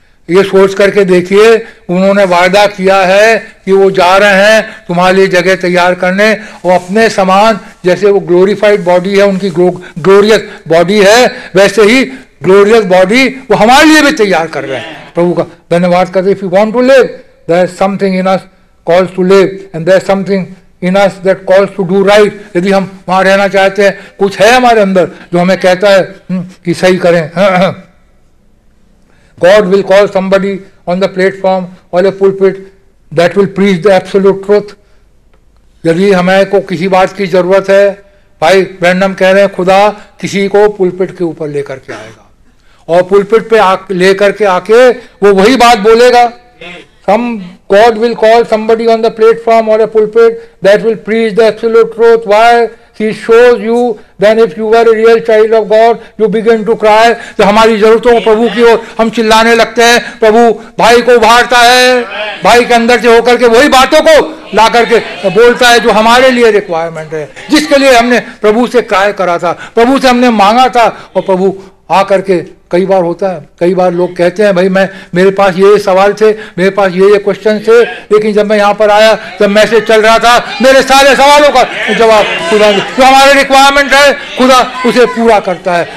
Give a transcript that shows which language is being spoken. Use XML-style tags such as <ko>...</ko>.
<hi>ये सोच करके देखिए, उन्होंने वादा किया है कि वो जा रहे हैं तुम्हारे लिए जगह तैयार करने, और अपने समान जैसे वो ग्लोरीफाइड बॉडी है, उनकी ग्लोरियस बॉडी है, वैसे ही ग्लोरियस बॉडी वो हमारे लिए भी तैयार कर रहे हैं. प्रभु का धन्यवाद करते.</hi> <en>If you want to live, there is something in us calls to live and there is something in us that calls to do right.</en> <hi>यदि हम वहां रहना चाहते हैं, कुछ है हमारे अंदर जो हमें कहता है कि सही करें.</hi> <en>God will call somebody on the platform or a pulpit that will preach the absolute truth.</en> <hi>यदि हमें को किसी बात की जरूरत है, भाई ब्रैनम कह रहे हैं खुदा किसी को पुलपिट के ऊपर लेकर के आएगा और पुलपिट पे लेकर के आके वो वही बात बोलेगा.</hi> <en>God will call somebody on the platform or a pulpit that will preach the absolute truth. Why? He shows you then if you were a real child of God, you begin to cry.</en> <hi>तो हमारी जरूरतों को प्रभु की ओर हम चिल्लाने लगते हैं. प्रभु भाई को उभारता है, भाई के अंदर से होकर के वही बातों को ला करके बोलता है जो हमारे लिए रिक्वायरमेंट है, जिसके लिए हमने प्रभु से क्राय करा था, प्रभु से हमने मांगा था. और प्रभु आ करके, कई बार होता है, कई बार लोग कहते हैं भाई मैं मेरे पास ये सवाल थे, मेरे पास ये क्वेश्चन थे, लेकिन जब मैं यहाँ पर आया जब मैसेज चल रहा था, मेरे सारे सवालों का जवाब खुदा, जो हमारे रिक्वायरमेंट है खुदा उसे पूरा करता है.</hi>